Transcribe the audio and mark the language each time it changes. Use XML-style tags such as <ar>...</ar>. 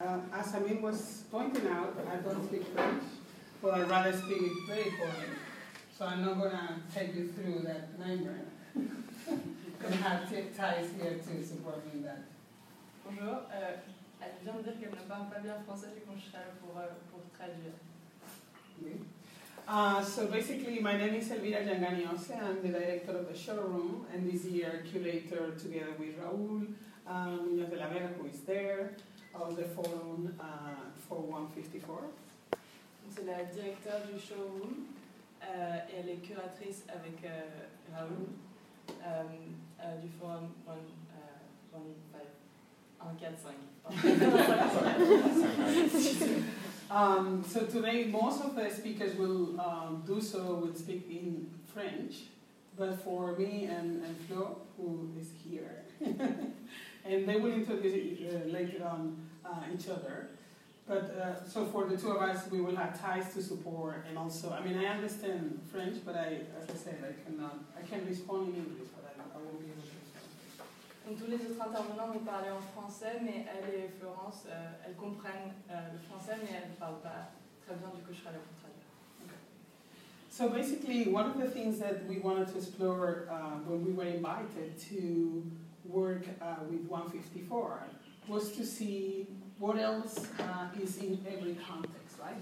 <en>as Amin was pointing out, I don't speak French, but I'd rather speak it very poorly. So I'm not going to take you through that nightmare. I have ties here to support me in that.</en> <fr>Bonjour. Elle vient de dire qu'elle ne parle pas bien français, du coup je serai là pour traduire.</fr> <en>So basically, my name is Elvira Janganiose. I'm the director of the showroom, and this year, curator together with Raúl Muñoz de la Vega, who is there, of the forum for 154.</en> <fr>C'est la directrice du showroom, et elle est curatrice avec Raúl du forum 145.</fr> <en>So today, most of the speakers will do so, will speak in French, but for me and Flo, who is here, and they will introduce later on each other. But so for the two of us, we will have ties to support, and also, I mean, I understand French, but I, as I said, I can respond in English, but I will be able to respond.</en> <fr>Donc, tous les autres intervenants vont parler en français, mais elle et Florence, elles comprennent le français, mais elles ne parlent pas très bien, du coup, je serai là pour traduire.</fr> <en>So basically, one of the things that we wanted to explore when we were invited to work with 154 was to see what else is in every context, right?</en>